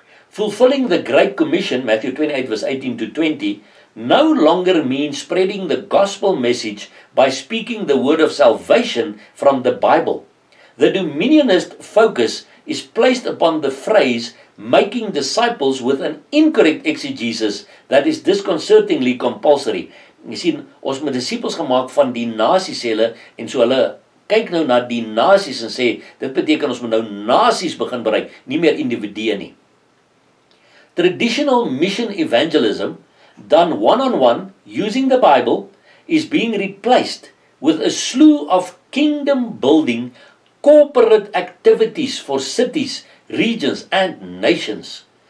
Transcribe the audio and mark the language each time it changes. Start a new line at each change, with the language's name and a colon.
English: Fulfilling the Great Commission, Matthew 28 verse 18 to 20, no longer means spreading the gospel message by speaking the word of salvation from the Bible. The dominionist focus is placed upon the phrase making disciples with an incorrect exegesis that is disconcertingly compulsory.
Afrikaans: Jy sien, ons moet disciples gemaak van die nasies sê hulle en so hulle kyk nou na die nasies en sê dit beteken ons moet nou nasies begin bereik, nie meer individue nie.
English: Traditional mission evangelism, done one-on-one using the Bible, is being replaced with a slew of kingdom-building corporate activities for cities, regions, and nations.